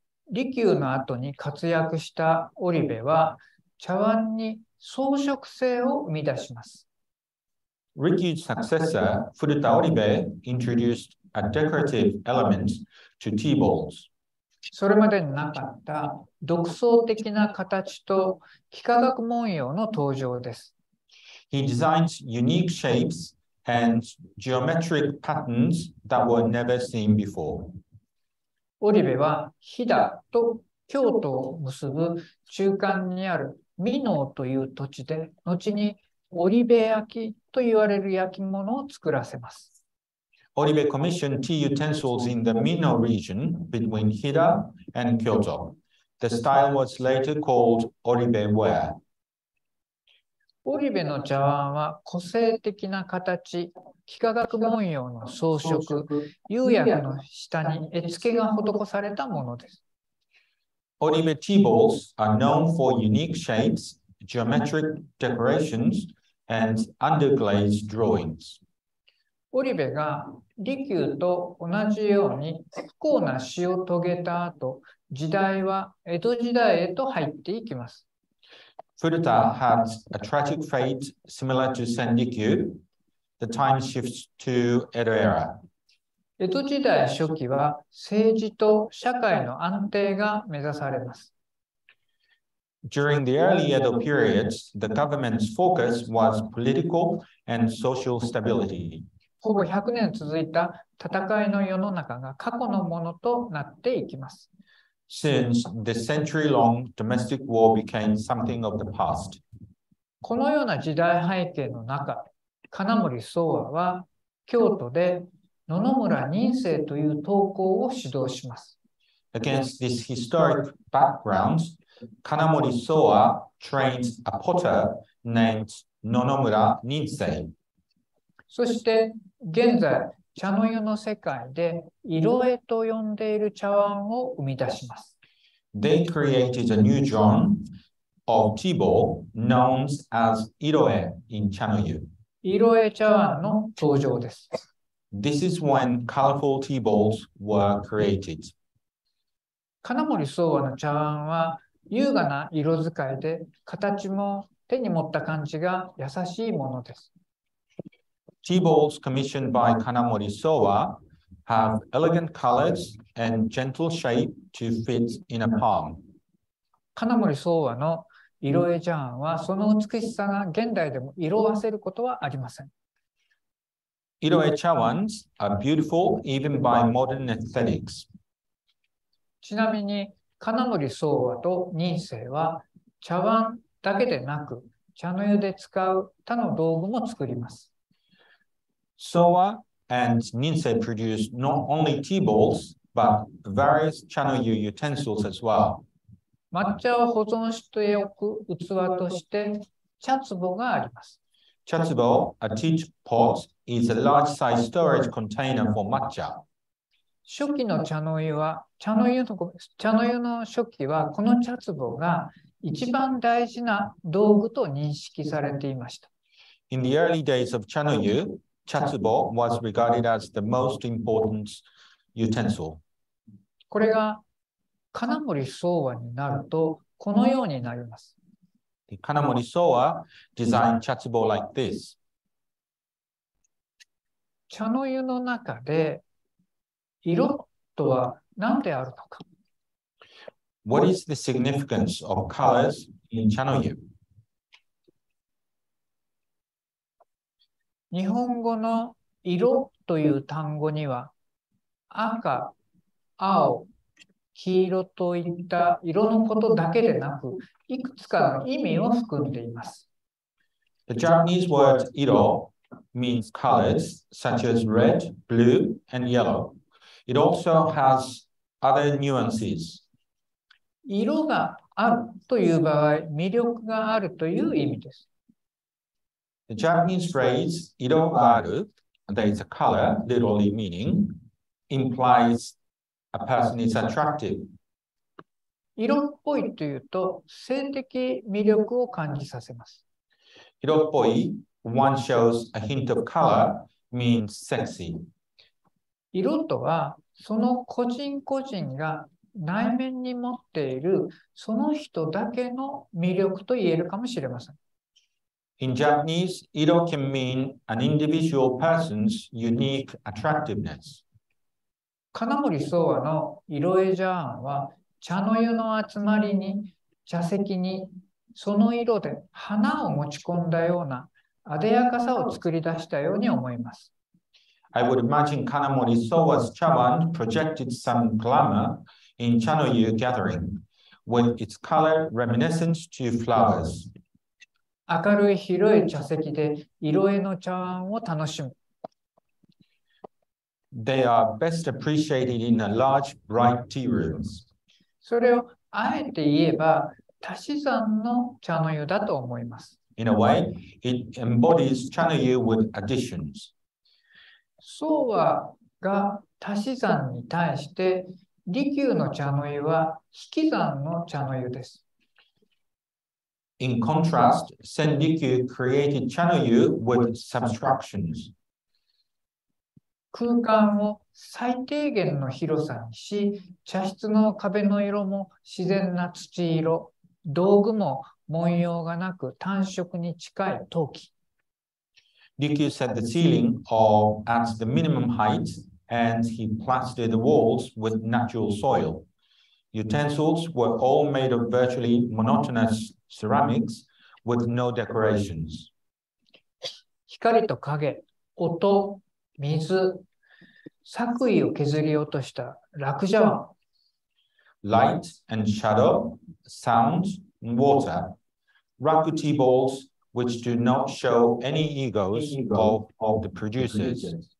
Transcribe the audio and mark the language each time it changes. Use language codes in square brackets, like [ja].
[ja] 利休の後に活躍した織部は茶碗に装飾性を生み出します。 [en] Rikyu's successor, Furuta Oribe, introduced a decorative element to tea bowls. [ja] それまでになかった独創的な形と幾何学文様の登場です。 [en] He designed unique shapes and geometric patterns that were never seen before. [ja] オリベは Hida と京都を結ぶ中間にある美濃という土地で、後にオリベ焼きと言われる焼き物を作らせます。 [en] Oribe commissioned tea utensils in the Mino region between Hida and Kyoto. The style was later called Oribe ware. [ja] Oribe の茶碗は個性的な形、幾何学文様の装飾、釉薬の下に絵付けが施されたものです。 [en] Oribe tea bowls are known for unique shapes geometric decorations, and underglaze drawings. [ja] オリベが利休と同じように不幸な死を遂げた後、時代は江戸時代へと入っていきます。 [en] Furuta had a tragic fate similar to Senrikyu. The time shifts to Edo era. [ja] 江戸時代初期は政治と社会の安定が目指されます。 [en] During the early Edo periods, the government's focus was political and social stability. [ja] ほぼ100年続いた戦いの世の中が過去のものとなっていきます。 [en] Since the century-long domestic war became something of the past. [ja] このような時代背景の中、金森宗和は京都で野々村仁清という陶工を指導します。 [en] Against this historic background, Kanamori Sōwa trained a potter named 野々村仁清。 [ja] そして現在、茶の湯の世界で色絵と呼んでいる茶碗を生み出します。 [en] They created a new genre of tea bowl known as 色絵 in 茶の湯。 [ja] 色絵茶碗の登場です。 [en] This is when colorful tea bowls were created. [ja] 金森宗和の茶碗は優雅な色使いで、形も手に持った感じが優しいものです。 [en] Tea bowls commissioned by Kanamori Sōwa have elegant colors and gentle shape to fit in a palm. [ja] Kanamori Sōwa の色絵茶碗はその美しさが現代でも色褪せることはありません。 [en] 色絵茶碗 are beautiful even by modern aesthetics. [ja] ちなみに Kanamori Sōwa と仁清は茶碗だけでなく茶の湯で使う他の道具も作ります。 [en] Sōwa and Ninse produce not only tea bowls, but various chanoyu utensils as well. [ja] 抹茶を保存しておく器として茶壺があります。 [en] 茶壺, a teapot, is a large size storage container for 抹茶. [ja] 初期の茶の湯は、茶の湯の初期はこの茶壺が一番大事な道具と認識されていました。 [en] In the early days of 茶の湯, Chatsubo was regarded as the most important utensil. [ja] これが Kanamori Sōwa になるとこのようになります。 [en] Kanamori Sōwa designed Chatsubo like this. [ja] 茶の湯の中で色とは何であるのか。 [en] What is the significance of colors in 茶の湯? [ja] 日本語の色という単語には赤、青、黄色といった色のことだけでなくいくつかの意味を含んでいます。 [en] The Japanese word 色 means colors such as red, blue, and yellow. It also has other nuances. [ja] 色があるという場合、魅力があるという意味です。 [en] The Japanese phrase 色がある there is a color, literally meaning, implies a person is attractive. [ja] 色っぽいというと性的魅力を感じさせます。 [en] 色っぽい one shows a hint of color means sexy. [ja] 色とはその個人個人が内面に持っているその人だけの魅力と言えるかもしれません。 [en] In Japanese, iro can mean an individual person's unique attractiveness. [ja] Kanamori Sōwa の iroe jaan は茶の湯の集まりに茶席にその色で花を持ち込んだような艶やかさを作り出したように思います。 [en] I would imagine Kanamori Sōwa's 茶碗 projected some glamour in 茶の湯 gathering with its color reminiscent to flowers. [ja] 明るい広い茶席で色絵の茶碗を楽しむ。 [en] They are best appreciated in a large, bright tea rooms. [ja] それをあえて言えば、足し算の茶の湯だと思います。 [en] In a way, it embodies 茶の湯 with additions. [ja] 宗和が足し算に対して、利休の茶の湯は引き算の茶の湯です。 [en] In contrast, Senriku created chanoyu with subtractions. [ja] 空間を最低限の広さにし、茶室の壁の色も自然な土色、道具も文様がなく単色に近い陶器。 [en] Rikyu set the ceiling or at the minimum height and he plastered the walls with natural soil. Utensils were all made of virtually monotonous ceramics with no decorations. [ja] 光と影、音、水、作為を削り落とした落茶碗。 [en] Light and shadow, sound and water, raku tea balls which do not show any egos of the producers.